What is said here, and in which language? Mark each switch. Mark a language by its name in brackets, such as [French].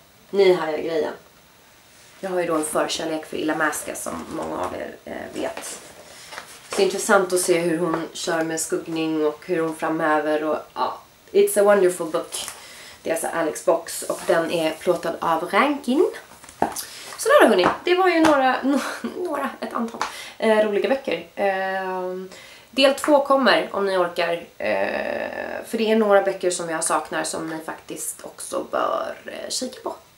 [Swedish] Ni har ju grejen. Jag har ju då en förkärlek för Illa Maska, som många av er vet. Det är intressant att se hur hon kör med skuggning och hur hon framhäver. Och ja, [English] it's a wonderful book. [Swedish] Det är alltså Alex Box och den är plåtad av Rankin. Sådär hörni, det var ju ett antal roliga böcker. Del 2 kommer om ni orkar. För det är några böcker som jag saknar som ni faktiskt också bör kika på.